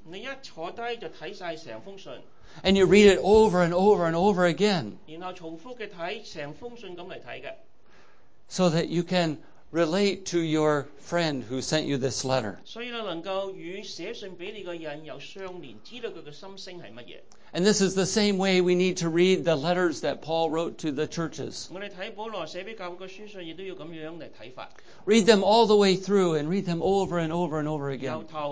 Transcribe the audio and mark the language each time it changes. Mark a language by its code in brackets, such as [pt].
[zh] 你一坐下就看完整封信。 [en] And you read it over and over and over again. [zh] 然后重复地看,整封信这样来看的。 [en] So that you can relate to your friend who sent you this letter. And this is the same way we need to read the letters that Paul wrote to the churches. Read them all the way through and read them over and over and over again.